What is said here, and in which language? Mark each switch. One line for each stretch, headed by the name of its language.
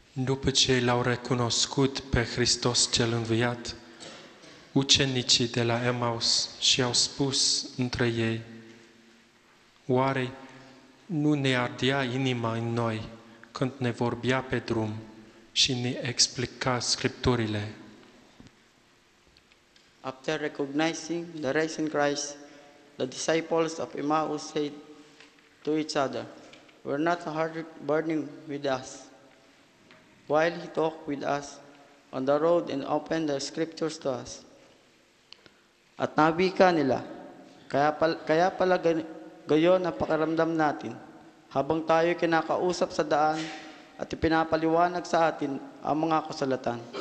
Romanian: După ce l-au recunoscut pe Hristos cel înviat, ucenicii de la Emmaus și-au spus între ei, oare nu ne ardea inima în noi când ne vorbea pe drum și ne explica scripturile?
English: After recognizing the risen Christ, the disciples of Emmaus said to each other, "Were not our hearts burning with us while he talked with us on the road and opened the scriptures to us?"
Filipino: At nabika nila, kaya pala gayon ang pakiramdam natin habang tayo kinakausap sa daan at ipinapaliwanag sa atin ang mga kasulatan.